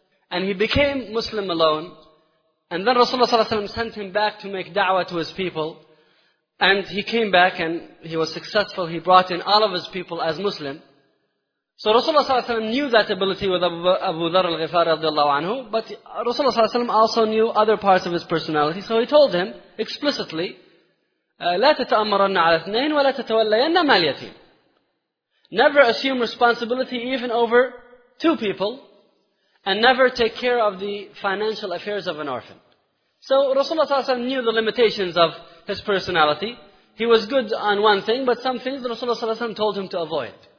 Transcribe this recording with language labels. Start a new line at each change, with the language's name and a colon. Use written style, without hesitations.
English: And he became Muslim alone. And then Rasulullah sallallahu alayhi wa sallam sent him back to make da'wah to his people. And he came back and he was successful. He brought in all of his people as Muslim. So Rasulullah sallallahu alayhi wa sallam knew that ability with Abu Dharr al-Ghifari radiallahu anhu. But Rasulullah sallallahu alayhi wa sallam also knew other parts of his personality. So he told him explicitly,
Arabic: لا تتأمرن على اثنين ولا تتولين مال يتيم.
English: Never assume responsibility even over two people. And never take care of the financial affairs of an orphan. So Rasulullah ﷺ knew the limitations of his personality. He was good on one thing, but some things Rasulullah ﷺ told him to avoid.